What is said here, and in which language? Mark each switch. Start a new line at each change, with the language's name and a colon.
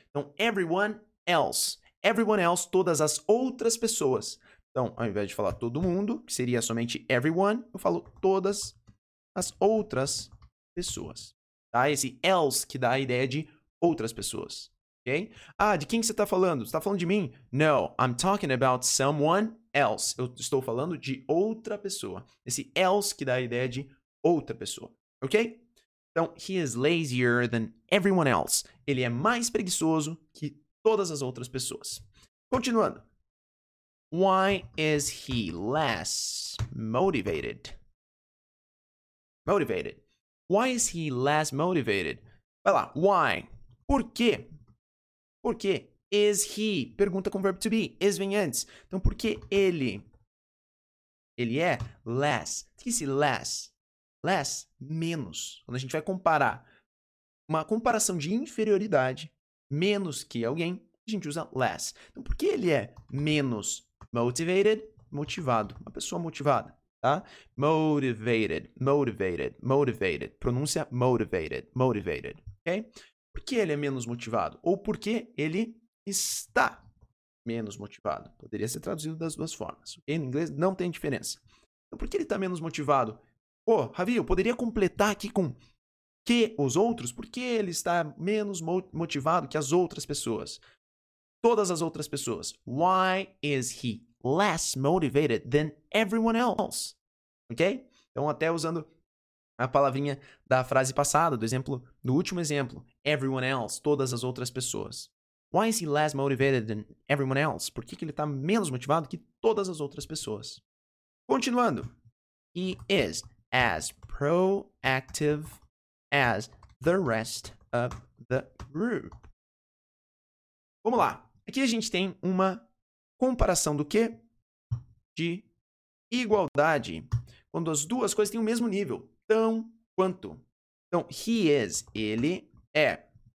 Portuguese: Então,
English: everyone else. Everyone else,
Portuguese: todas as outras pessoas. Então, ao invés de falar todo mundo, que seria somente everyone, eu falo todas as outras pessoas. Tá? Esse else que dá a ideia de outras pessoas. Ok? Ah, de quem que você tá falando? Você tá falando de mim?
English: No, I'm talking about someone else.
Portuguese: Eu estou falando de outra pessoa. Esse else que dá a ideia de outra pessoa. Ok? Então,
English: he is lazier than everyone else.
Portuguese: Ele é mais preguiçoso que todas as outras pessoas. Continuando.
English: Why is he less motivated? Motivated. Why is he less motivated?
Portuguese: Vai lá. Why? Por quê? Por quê?
English: Is he?
Portuguese: Pergunta com o verbo to be. Is vem antes. Então, por que ele? Ele é less. O que é less? Less, menos. Quando a gente vai comparar uma comparação de inferioridade, menos que alguém, a gente usa less. Então, por que ele é menos motivated? Motivado. Uma pessoa motivada, tá? Motivated, motivated, motivated. Pronúncia motivated, motivated, ok? Por que ele é menos motivado? Ou por que ele está menos motivado? Poderia ser traduzido das duas formas. Em inglês, não tem diferença. Então, por que ele está menos motivado? Pô, Javi, eu poderia completar aqui com que os outros? Por que ele está menos motivado que as outras pessoas? Todas as outras pessoas.
English: Why is he less motivated than everyone else? Ok?
Portuguese: Então, até usando a palavrinha da frase passada, do exemplo, do último exemplo.
English: Everyone else,
Portuguese: todas as outras pessoas.
English: Why is he less motivated than everyone else?
Portuguese: Por que que ele está menos motivado que todas as outras pessoas? Continuando.
English: He is as proactive as the rest of the group.
Portuguese: Vamos lá. Aqui a gente tem uma comparação do quê? De igualdade. Quando as duas coisas têm o mesmo nível. Tão quanto. Então,
English: he is,
Portuguese: ele é.